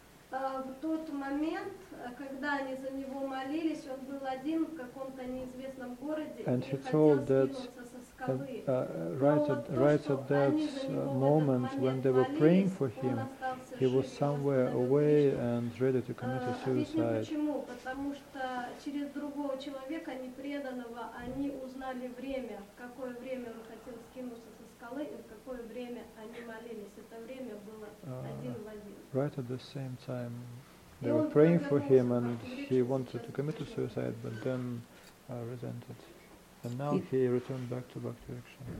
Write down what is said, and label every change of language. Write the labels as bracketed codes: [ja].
[ru] В тот момент, когда они за него молились, он был один в каком-то неизвестном городе. [en] And he told that right at that moment when they were praying for him, he was somewhere away and ready to commit a suicide. [ru] Почему? Потому что через другого человека, непреданного, они узнали время, в какое время он хотел скинуться со скалы и в какое время они молились. Это время было один в один. [en] Right at the same time, they were praying for him and he wanted to commit a suicide, but then resented. And now he returned back to Bhakti Riksha.